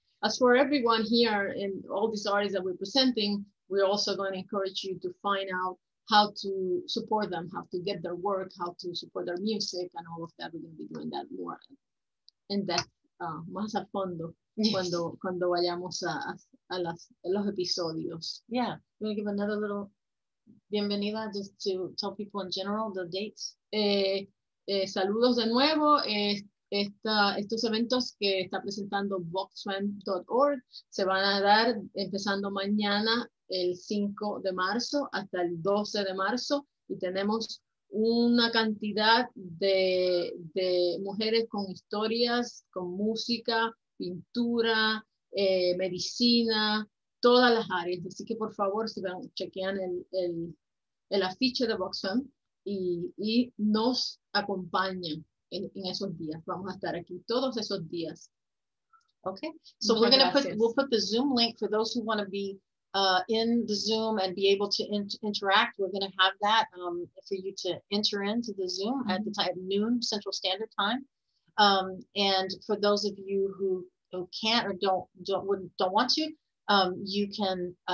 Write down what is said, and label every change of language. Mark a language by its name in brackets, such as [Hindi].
[English] As for everyone here and all these artists that we're presenting, we're also going to encourage you to find out how to support them, how to get their work, how to support their music, and all of that. We're going to be doing that more in depth, [Spanish] más a fondo, [English] yes, [Spanish] cuando vayamos a los episodios. [English] Yeah, we're going to give another little bienvenida just to tell people in general the dates. [Spanish] Saludos de nuevo. Estos eventos que está presentando VoxFem.org se van a dar empezando mañana el 5 de marzo hasta el 12 de marzo, y tenemos una cantidad de mujeres con historias, con música, pintura, medicina, todas las áreas. Así que por favor, si van, chequean el afiche de VoxFem y nos acompañen. En esos días vamos a estar aquí todos esos días. [English] Okay, so we're gonna put the Zoom link for those who want to be in the Zoom and be able to interact. We're gonna have that for you to enter into the Zoom at the time noon Central Standard Time. And for those of you who can't or don't want to, you can.